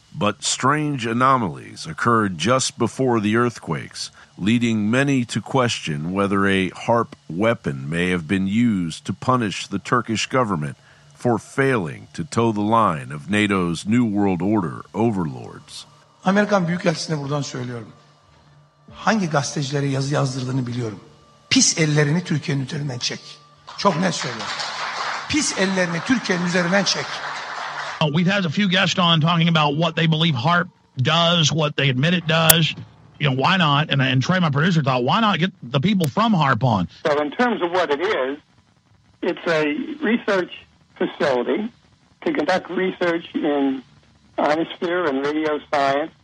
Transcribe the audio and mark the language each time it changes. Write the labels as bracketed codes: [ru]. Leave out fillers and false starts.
[en] But strange anomalies occurred just before the earthquakes, leading many to question whether a HAARP weapon may have been used to punish the Turkish government for failing to toe the line of NATO's New World Order overlords. [tr] Amerikan Büyükelçisine buradan söylüyorum. Hangi gazetecilere yazı yazdırdığını biliyorum. Pis ellerini Türkiye'nin üzerinden çek. Çok net söylüyorum. Pis ellerini Türkiye'nin üzerinden çek. [en] We've had a few guests on talking about what they believe HAARP does, what they admit it does. You know, why not? And Trey, my producer, thought, why not get the people from HAARP on? So in terms of what it is, it's a research facility to conduct research in ionosphere and radio science.